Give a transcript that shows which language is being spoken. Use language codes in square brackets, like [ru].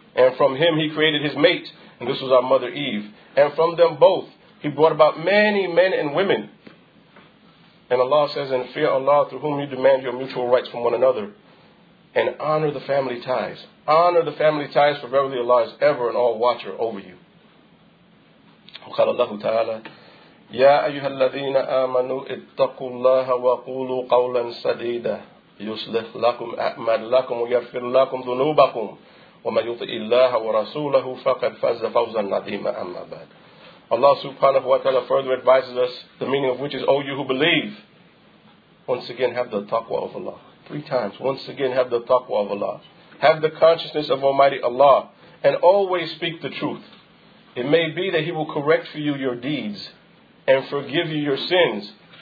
[en] And from him he created his mate, and this was our mother Eve. And from them both he brought about many men and women. And Allah says, and fear Allah through whom you demand your mutual rights from one another, and honor the family ties. Honor the family ties, for verily Allah is ever an all watcher over you. [ar] وقال الله تعالى يا أيها الذين آمنوا اتقوا الله وقولوا قولا سديدا يصلح لكم أعمالكم ويغفر لكم ذنوبكم ومن يطع الله ورسوله فقد فاز فوزا عظيما أما بعد. [en] Allah subhanahu wa ta'ala further advises us, the meaning of which is, O you who believe, once again have the taqwa of Allah. Three times, once again have the taqwa of Allah. Have the consciousness of Almighty Allah, and always speak the truth. It may be that He will correct for you your deeds and forgive you your sins.